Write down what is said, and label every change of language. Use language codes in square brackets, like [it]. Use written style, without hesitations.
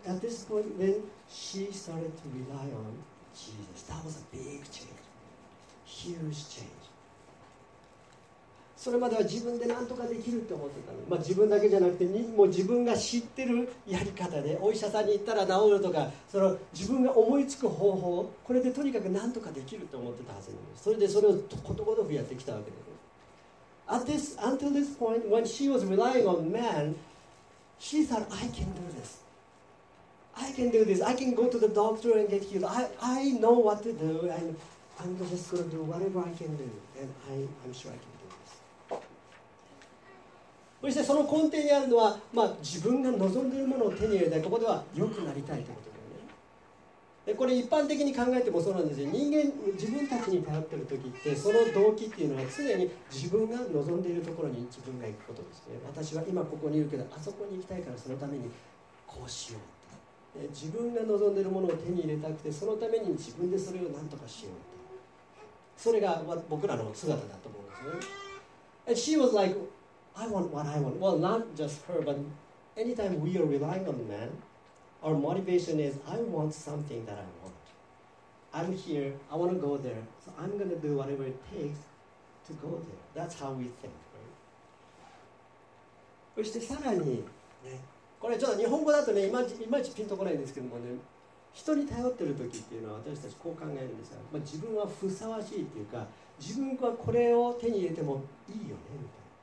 [en] But now, at this point, when she started to rely on Jesus, that was a big change. Huge change. [ja] それまでは自分で何とかできるって思ってたの。まあ、自分だけじゃなくて、もう自分が知ってるやり方で、お医者さんに行ったら治るとか、その自分が思いつく方法、これでとにかく何とかできると思ってたはずなの。それでそれをことごとくやってきたわけです。 [en] Until this point, when she was relying on man, she thought, I can do this. I can do this. I can go to the doctor and get healed. I know what to do, and I'm just going to do whatever I can do, and I'm sure I can do this. [ja] そしてその根底にあるのは、まあ、自分が望んでいるものを手に入れたい。ここでは良くなりたいということだよね。で、これ一般的に考えてもそうなんですよ。人間、自分たちに頼っているときって、その動機っていうのは常に自分が望んでいるところに自分が行くことですね。私は今ここにいるけど、あそこに行きたいからそのためにこうしよう。自分が望んでいるものを手に入れたくて、そのために自分でそれを何とかしようと。それが僕らの姿だと思うんですね。 [en] And she was like, I want what I want. Well, not just her, but anytime we are relying on man, our motivation is, I want something that I want. I'm here, I want to go there, so I'm going to do whatever it takes to go there. That's how we think, right? [ja] そしてさらにね、これちょっと日本語だとね、いまいちピンとこないんですけどもね、人に頼ってる時っていうのは私たちこう考えるんですが、まあ、自分はふさわしいっていうか、自分はこれを手に入れてもいいよねみたいな。